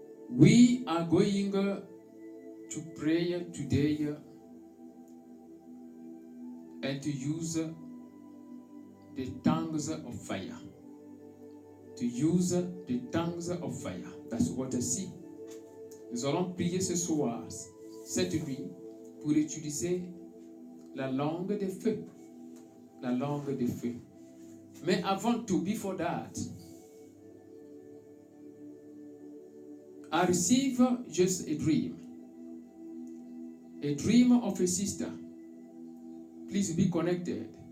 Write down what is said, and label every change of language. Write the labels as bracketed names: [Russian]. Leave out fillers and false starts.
[English] We are going to pray today and to use the tongues of fire. To use the tongues of fire. That's what I see. [French] Nous allons prier ce soir, cette nuit, pour utiliser la langue de feu. La langue de feu. Mais avant tout, [English] before that, I receive just a dream. A dream of a sister. Please be connected.